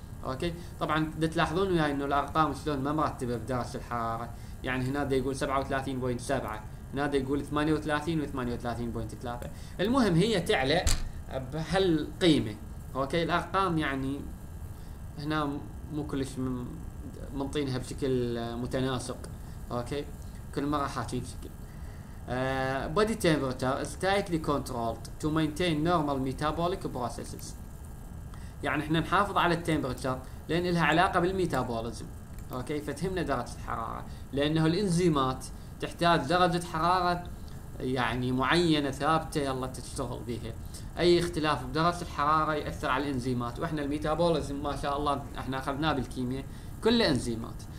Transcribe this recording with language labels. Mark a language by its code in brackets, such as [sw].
[ar] أوكي طبعا تلاحظون وياي إنه الأرقام شلون ما مرتبة بدرجة الحرارة، يعني هنا دا يقول 37.7 نادي يقول 38 و 38.3. المهم هي تعلى بهالقيمة. أوكي الأرقام يعني هنا مو كلش منطينها بشكل متناسق. أوكي كل مرة حاكي بشكل [en] body temperature is tightly controlled to maintain normal metabolic processes. [ar] يعني احنا نحافظ على temperature لأن لها علاقة بالميتابوليزم. أوكي فتهمنا درجة الحرارة لأنه الإنزيمات تحتاج درجة حرارة يعني معينة ثابتة يلا تشتغل بها، أي اختلاف بدرجة الحرارة يأثر على الإنزيمات، وإحنا الميتابوليزم ما شاء الله إحنا أخذناه بالكيمياء كل إنزيمات.